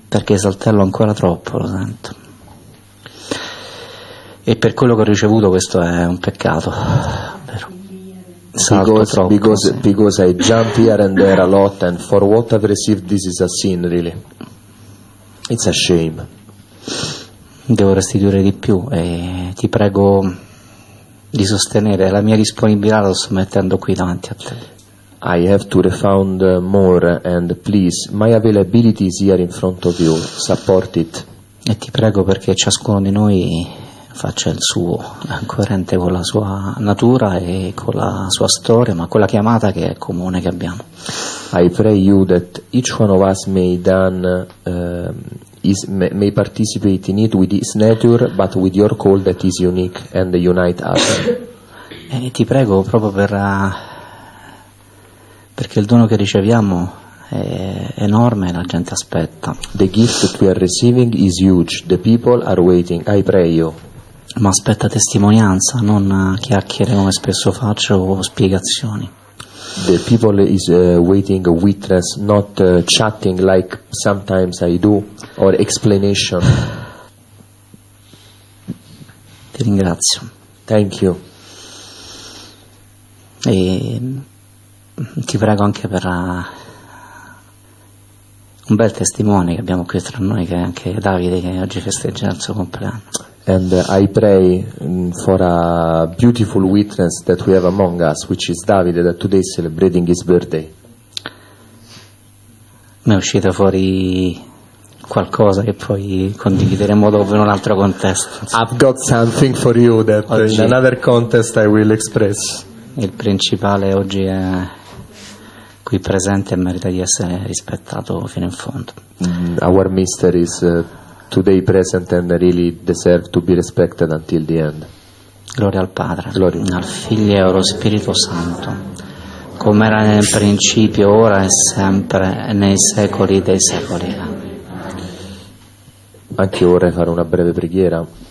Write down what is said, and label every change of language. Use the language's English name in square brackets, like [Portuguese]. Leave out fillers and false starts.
[Italian] Perché saltello ancora troppo, lo sento. E per quello che ho ricevuto questo è un peccato. Vero. Salto troppo. [English] Because I jump here and there a lot and for what I've received this is a sin really. It's a shame. [Italian] Devo restituire di più e ti prego di sostenere la mia disponibilità, lo sto mettendo qui davanti a te. [English] I have to refund more and please, my availability is here in front of you, support it. [Italian] E ti prego perché ciascuno di noi faccia il suo, coerente con la sua natura e con la sua storia, ma con la chiamata che è comune che abbiamo. [English] I pray you that each one of us may participate in it with his nature, but with your call that is unique and unite us. [Italian] E ti prego proprio perché il dono che riceviamo è enorme, la gente aspetta. [English] The gift that we are receiving is huge. The people are waiting. I pray you. [Italian] Ma aspetta testimonianza, non chiacchiere come spesso faccio o spiegazioni. [English] The people is waiting a witness, not chatting like sometimes I do, or explanation. [Italian] Ti ringrazio. [English] Thank you. [Italian] E ti prego anche per un bel testimone che abbiamo qui tra noi, che è anche Davide, che oggi festeggia il suo compleanno. [English] And I pray for a beautiful witness that we have among us, which is Davide, that today is celebrating his birthday. [Italian] Mi è uscito fuori qualcosa che poi condivideremo dopo in un altro contesto. [English] I've got something for you that [Italian] oggi, [English] in another contest I will express. [Italian] Il principale oggi è qui presente e merita di essere rispettato fino in fondo. [English] Our mister is today present and really deserve to be respected until the end. [Italian] Gloria al Padre, gloria al Figlio e allo Spirito Santo, come era nel principio, ora e sempre, nei secoli dei secoli. Anche io vorrei fare una breve preghiera.